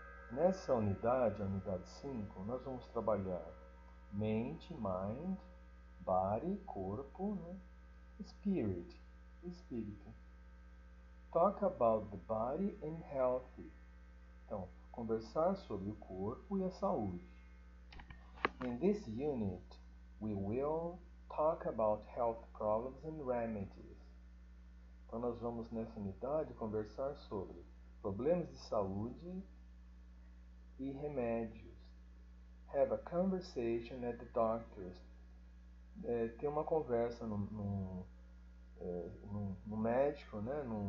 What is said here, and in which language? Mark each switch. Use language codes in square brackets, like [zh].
[pt] Nessa unidade, a unidade 5, nós vamos trabalhar mente, [en] mind, body, [pt] corpo, né? [en] Spirit, espírito. Talk about the body and health. [pt] Então, conversar sobre o corpo e a saúde. [en] In this unit, we will talk about health problems and remedies. [pt] Então, nós vamos nessa unidade conversar sobre problemas de saúde e remédios. [en] Have a conversation at the doctor's. [pt] É, ter uma conversa no médico, né?